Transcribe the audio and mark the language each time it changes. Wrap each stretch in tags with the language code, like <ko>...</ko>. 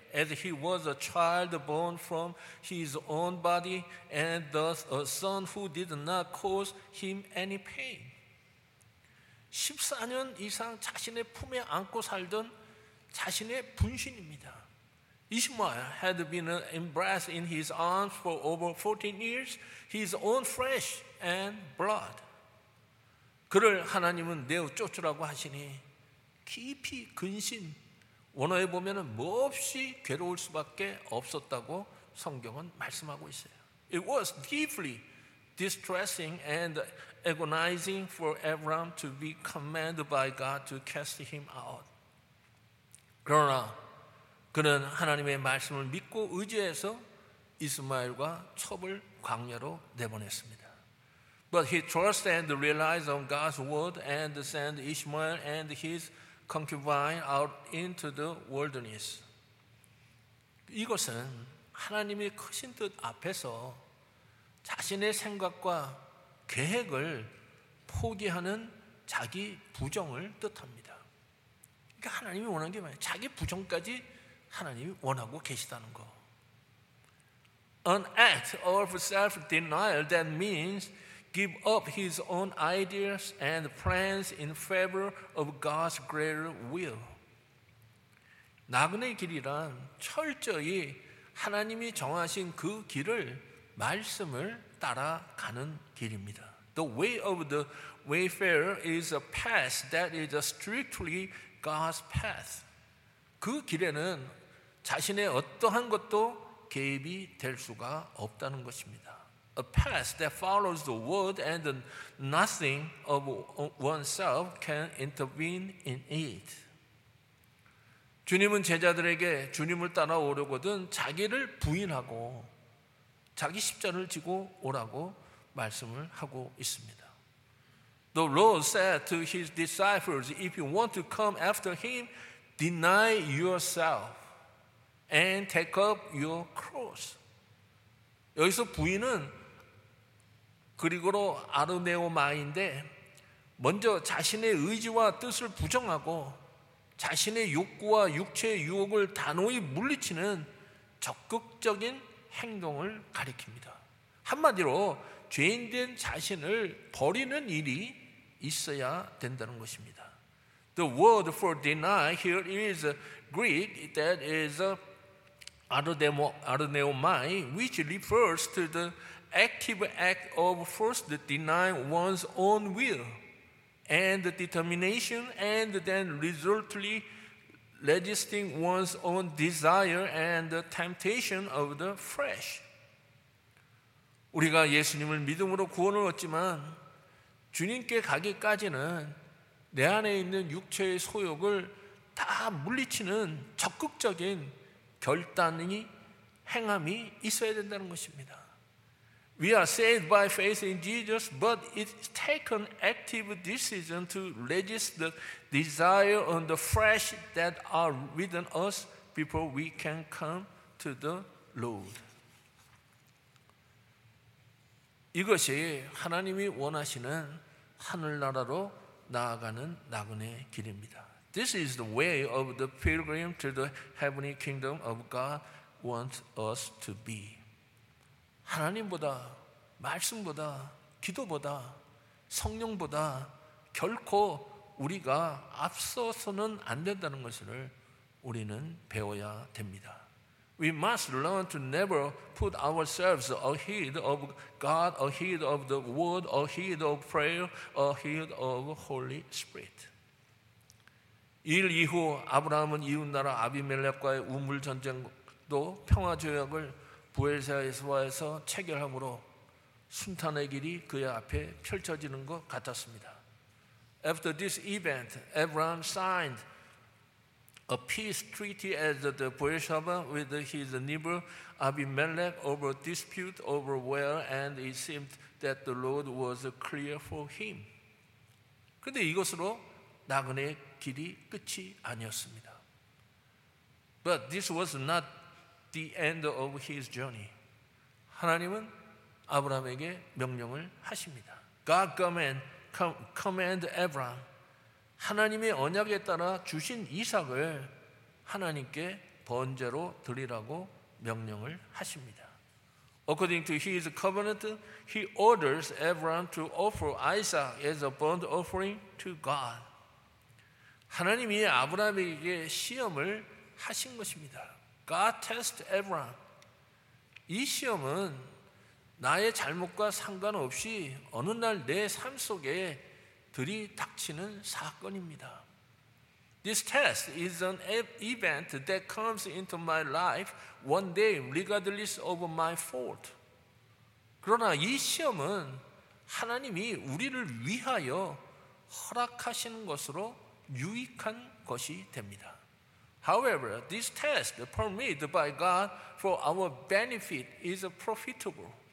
<en>as he was a child born from his own body, and thus a son who did not cause him any pain.</en> <ko>14년 이상 자신의 품에 안고 살던 자신의 분신입니다.</ko> <en>Ishmael had been embraced in his arms for over 14 years, his own flesh and blood.</en> <ko>그를 하나님은 내어 쫓으라고 하시니 깊이 근심, 원어에 보면 몹시 괴로울 수밖에 없었다고 성경은 말씀하고 있어요.</ko> <en>It was deeply distressing and agonizing for Abraham to be commanded by God to cast him out.</en> <ko>그러나 그는 하나님의 말씀을 믿고 의지해서 이스마엘과 첩을 광야로 내보냈습니다.</ko> <en>But he trusted and relied on God's word and sent Ishmael and his concubine out into the wilderness.</en> <ko>이것은 하나님의 크신 뜻 앞에서 자신의 생각과 계획을 포기하는 자기 부정을 뜻합니다. 그러니까 하나님이 원하는 게 뭐예요? 자기 부정까지 하나님이 원하고 계시다는 거.</ko> <en>An act of self-denial that means give up his own ideas and plans in favor of God's greater will.</en> <ko>나그네 길이란 철저히 하나님이 정하신 그 길을 말씀을 따라가는 길입니다.</ko> <en>The way of the wayfarer is a path that is strictly God's path.</en> <ko>그 길에는 자신의 어떠한 것도 개입이 될 수가 없다는 것입니다.</ko> <en>A path that follows the word and nothing of oneself can intervene in it.</en> <ko>주님은 제자들에게 주님을 따라오려거든 자기를 부인하고 자기 십자를 지고 오라고 말씀을 하고 있습니다.</ko> <en>The Lord said to his disciples, if you want to come after him, deny yourself. And take up your cross.</en> <ko>여기서 부인은 그리고로 아르네오마인데 먼저 자신의 의지와 뜻을 부정하고 자신의 욕구와 육체의 유혹을 단호히 물리치는 적극적인 행동을 가리킵니다. 한마디로 죄인된 자신을 버리는 일이 있어야 된다는 것입니다.</ko> <en>The word for deny here is Greek that is a Aroneomai, which refers to the active act of first denying one's own will and determination and then resolutely resisting one's own desire and the temptation of the flesh.</en> <ko>우리가 예수님을 믿음으로 구원을 얻지만 주님께 가기까지는 내 안에 있는 육체의 소욕을 다 물리치는 적극적인 결단이 행함이 있어야 된다는 것입니다.</ko> <en>We are saved by faith in Jesus, but it's taken active decision to resist the desire and the flesh that are within us before we can come to the Lord.</en> <ko>이것이 하나님이 원하시는 하늘나라로 나아가는 나그네 길입니다.</ko> <en>This is the way of the pilgrim to the heavenly kingdom of God wants us to be.</en> <ko>하나님보다, 말씀보다, 기도보다, 성령보다 결코 우리가 앞서서는 안 된다는 것을 우리는 배워야 됩니다.</ko> <en>We must learn to never put ourselves ahead of God, ahead of the word, ahead of prayer, ahead of Holy Spirit.</en> <ko>일 이후 아브라함은 이웃나라 아비멜렉과의 우물전쟁도 평화조약을 부엘세바에서 체결함으로 순탄의 길이 그의 앞에 펼쳐지는 것 같았습니다.</ko> <en>After this event, Abraham signed a peace treaty at the Beersheba with his neighbor Abimelech over a dispute over where and it seemed that the Lord was clear for him.</en> <ko>그런데 이것으로 나그네 길이 끝이 아니었습니다.</ko> <en>But this was not the end of his journey.</en> <ko>하나님은 아브라함에게 명령을 하십니다.</ko> <en>God command Abraham.</en> <ko>하나님의 언약에 따라 주신 이삭을 하나님께 번제로 드리라고 명령을 하십니다.</ko> <en>According to his covenant, he orders Abraham to offer Isaac as a burnt offering to God.</en> <ko>하나님이 아브라함에게 시험을 하신 것입니다.</ko> <en>God test Abraham.</en> <ko>이 시험은 나의 잘못과 상관없이 어느 날 내 삶 속에 들이닥치는 사건입니다.</ko> <en>This test is an event that comes into my life one day regardless of my fault.</en> <ko>그러나 이 시험은 하나님이 우리를 위하여 허락하시는 것으로 유익한 것이 됩니다.</ko> <en>However, this test permitted by God for our benefit is profitable.</en>